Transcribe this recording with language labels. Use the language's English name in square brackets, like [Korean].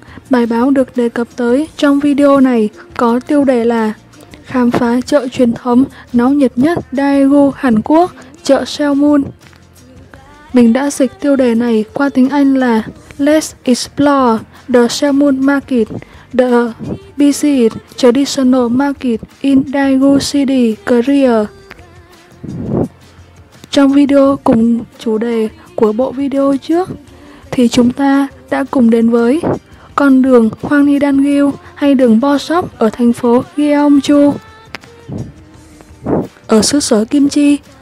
[Vietnamese] Bài báo được đề cập tới trong video này có tiêu đề là Khám phá chợ truyền thống náo nhiệt nhất Daegu, Hàn Quốc, chợ Seomun. Mình đã dịch tiêu đề này qua tiếng Anh là [English] Let's explore the Seomun market. The busy traditional market in Daegu City, Korea. [Vietnamese] Trong video cùng chủ đề của bộ video trước thì chúng ta đã cùng đến với con đường Hwanghae-dangil hay đường Bosop ở thành phố Gyeongju ở xứ sở Kim Chi.